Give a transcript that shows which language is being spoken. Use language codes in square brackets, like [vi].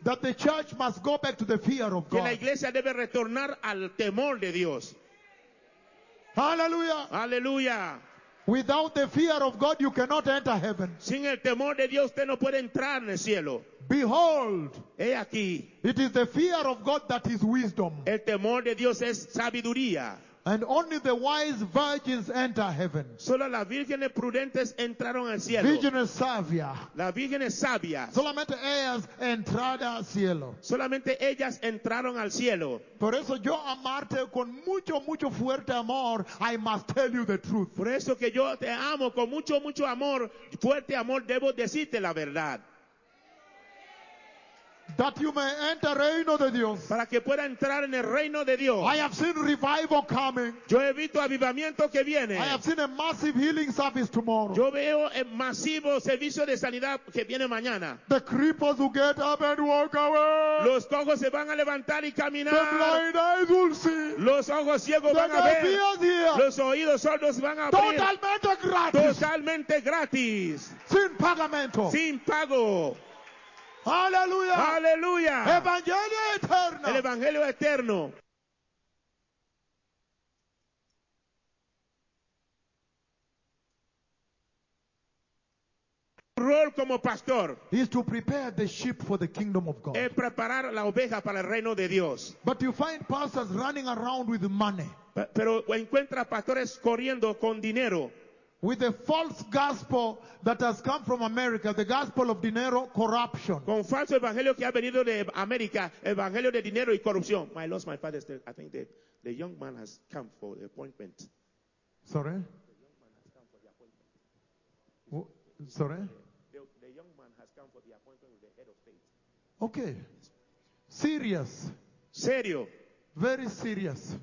[en] That the church must go back to the fear of [es] que Que la iglesia debe retornar al temor de Dios. [en] Hallelujah. Hallelujah. Without the fear of God, you cannot enter heaven. [es] Sin el temor de Dios, usted no puede entrar en el cielo. [en] Behold, [es] he aquí. [en] It is the fear of God that is wisdom. [es] El temor de Dios es sabiduría. [en] And only the wise virgins enter heaven. [es] Solo las vírgenes prudentes entraron al cielo. Virgines sabias. Las vírgenes sabias. Solamente ellas entraron al cielo. Solamente ellas entraron al cielo. Por eso yo amarte con mucho mucho fuerte amor. [en] I must tell you the truth. [es] Por eso que yo te amo con mucho mucho amor, fuerte amor, debo decirte la verdad. [en] That you may enter [es] reino de Dios. Para que pueda entrar en el reino de Dios. [en] I have seen revival coming. [es] Yo he visto avivamiento que viene. [en] I have seen a massive healing service tomorrow. [es] Yo veo el masivo servicio de sanidad que viene mañana. [en] The creepers will get up and walk away. [es] Los cojos se van a levantar y caminar. [en] The blind eyes will see. [es] Los ojos ciegos [en] the [es] van a ver. [en] Here. [es] Los oídos sordos van a totalmente abrir. Gratis. Totalmente gratis. Sin pagamento. Sin pago. Aleluya. Aleluya. Evangelio eterno. El evangelio eterno. Rol como pastor [en] is to prepare the sheep for the kingdom of God. [es] Es preparar la oveja para el reino de Dios. [en] But you find pastors running around with money. [es] Pero encuentra pastores corriendo con dinero. [en] With a false gospel that has come from America, the gospel of dinero, corruption. [es] Con falso evangelio que ha venido de América, evangelio de dinero y corrupción. [en] I lost my father's name. I think the young man has come for the appointment. Sorry? Sorry? The young man has come for the appointment with the head of state. Okay. Serious. [es] Serio. [en] Very serious.